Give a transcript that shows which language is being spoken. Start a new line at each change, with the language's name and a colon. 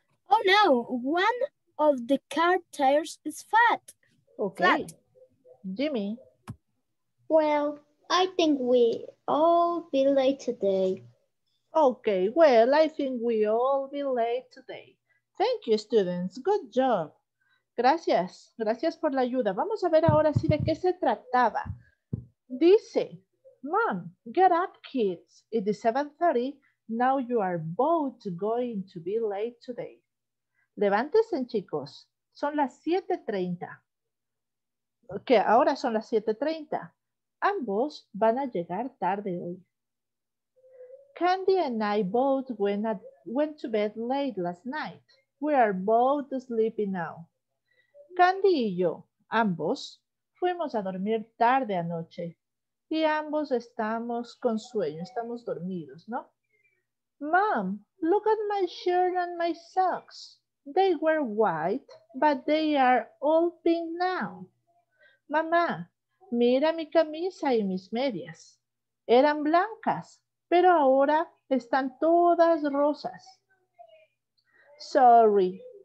English: Oh no, one of the car tires is fat. Okay. Flat. Jimmy. Well, I think we all be late today. Okay, well, I think we all be late today. Thank you, students. Good job.
Spanish: Gracias, gracias por la ayuda. Vamos a ver ahora sí de qué se trataba. Dice,
English: Mom, get up, kids. It is 7:30. Now you are both going to be late today.
Spanish: Levántense, chicos. Son las 7:30. Que ahora son las 7:30. Ambos van a llegar tarde hoy.
English: Candy and I both went to bed late last night. We are both sleepy now.
Spanish: Candy y yo, ambos, fuimos a dormir tarde anoche y ambos estamos con sueño, estamos dormidos, ¿no?
English: Mom, look at my shirt and my socks. They were white, but they are all pink now.
Spanish: Mamá, mira mi camisa y mis medias. Eran blancas, pero ahora están todas rosas.
English: Sorry.